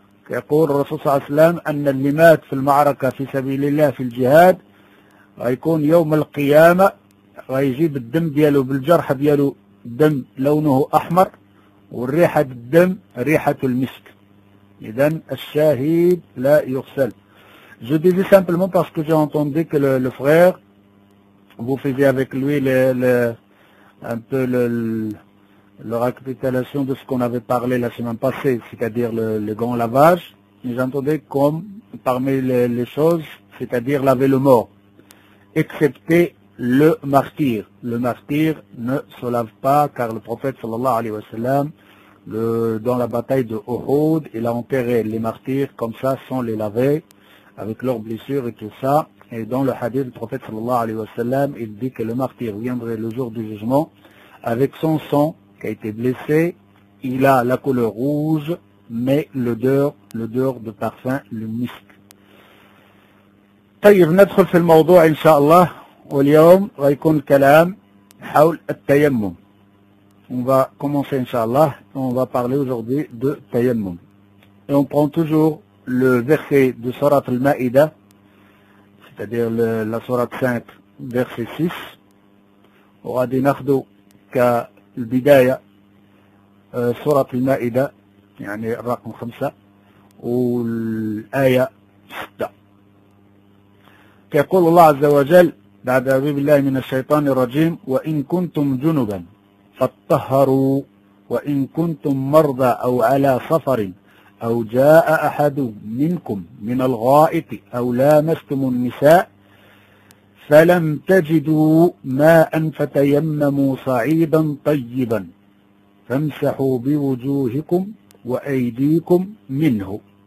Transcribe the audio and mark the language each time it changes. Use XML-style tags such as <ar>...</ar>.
<ar>يقول الرسول صلى الله عليه وسلم أن اللي مات في المعركة في سبيل الله في الجهاد غيكون يوم القيامة غيجيب الدم ديالو بالجرح ديالو دم لونه أحمر، والريحة الدم ريحة المسك. إذن الشاهد لا يغسل.</ar> <fr>Je disais simplement parce que j'ai entendu que le frère, vous faisiez avec lui un peu la récapitulation de ce qu'on avait parlé la semaine passée, c'est-à-dire le grand lavage. J'entendais comme parmi les choses, c'est-à-dire laver le mort, excepté le martyr. Le martyr ne se lave pas, car le prophète sallallahu alayhi wa sallam, dans la bataille de Uhud, il a enterré les martyrs comme ça, sans les laver, avec leurs blessures et tout ça. Et dans le hadith du prophète sallallahu alayhi wa sallam, il dit que le martyr viendrait le jour du jugement avec son sang qui a été blessé. Il a la couleur rouge, mais l'odeur de parfum, le musc.</fr> <ar>طيب ندخل في الموضوع إن شاء الله، واليوم غيكون الكلام حول التيمم.</ar> <fr>On va commencer إن شاء الله. On va parler aujourd'hui de tayammum. Et on prend toujours le verset de Surat al-Ma'ida, c'est-à-dire la Surat 5, verset 6.</fr> <ar>وغادي ناخذو كالبداية سورة المائدة، يعني الرقم 5 والآية 6. يقول الله عز وجل بعد أعوذ بالله من الشيطان الرجيم: وإن كنتم جنبا فاتطهروا، وإن كنتم مرضى أو على سفر، أو جاء أحد منكم من الغائط، أو لامستم النساء فلم تجدوا ماء فتيمموا صعيدا طيبا فامسحوا بوجوهكم وأيديكم منه.</ar>